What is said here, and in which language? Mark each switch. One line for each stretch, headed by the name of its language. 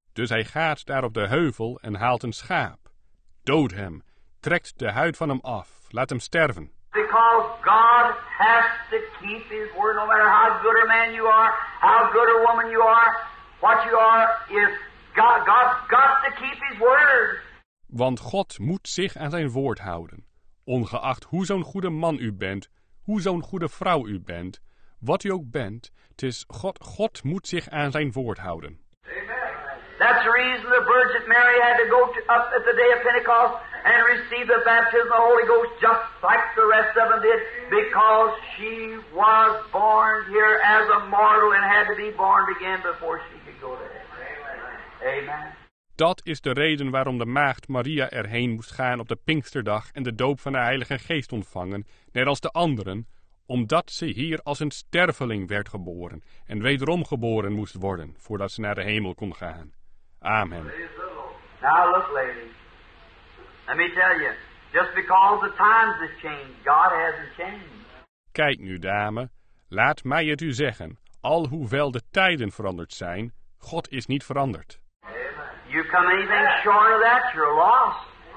Dutch: Dus hij gaat daar op de heuvel en haalt een schaap. Dood hem. Trekt de huid van hem af. Laat hem sterven.
English: Because God has to keep his word, no matter how good a man you are, how good a woman you are, what you are, if God's got to keep his word.
Dutch: Want God moet zich aan zijn woord houden. Ongeacht hoe zo'n goede man u bent, hoe zo'n goede vrouw u bent, wat u ook bent, het is God. God moet zich aan zijn woord houden. Amen.
English: That's the reason the Virgin Mary had to go up at the day of Pentecost and receive the baptism of the Holy Ghost just like the rest of them did, because she was born here as a mortal and had to be born again before she could go to heaven. Amen. Amen.
Dutch: Dat is de reden waarom de maagd Maria erheen moest gaan op de Pinksterdag en de doop van de Heilige Geest ontvangen, net als de anderen, omdat ze hier als een sterveling werd geboren en wederom geboren moest worden voordat ze naar de hemel kon gaan. Amen.
English: Now look, ladies. Let me tell you, just because the times have changed, God hasn't changed.
Dutch: Kijk nu, dame, laat mij het u zeggen, alhoewel de tijden veranderd zijn, God is niet veranderd.
English: You come anything short of that, you're lost.